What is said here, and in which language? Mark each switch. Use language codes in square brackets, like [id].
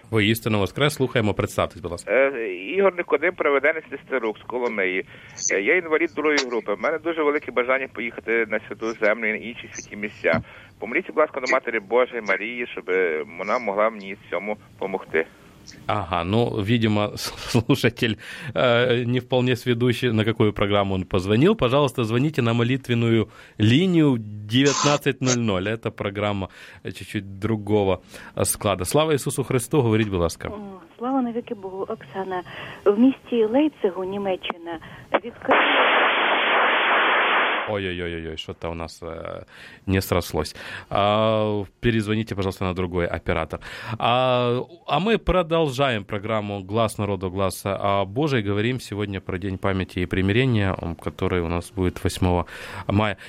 [uk] Воістину воскрес. Слухаємо, представтесь, будь ласка. Ігор Никодим, проведенець Лістерук з Коломиї. Я інвалід другої групи. У мене дуже велике бажання поїхати на святу землю і на інші святі місця. Помоліться, будь ласка, до Матері Божої Марії, щоб вона могла мені цьому помогти. [ru] Ага, ну, видимо, слушатель не вполне сведущий, на какую программу он позвонил. Пожалуйста, звоните на молитвенную линию 19.00. Это программа чуть-чуть другого склада. [uk] Слава Ісусу Христу, говоріть, будь ласка. Слава навіки Богу, Оксана. В місті Лейпцигу, Німеччина, відкрили... [ru] Ой-ой-ой, что-то у нас не срослось. Перезвоните, пожалуйста, на другой оператор. А мы продолжаем программу «Глас народу, глаз Божий». Говорим сегодня про День памяти и примирения, который у нас будет 8 мая.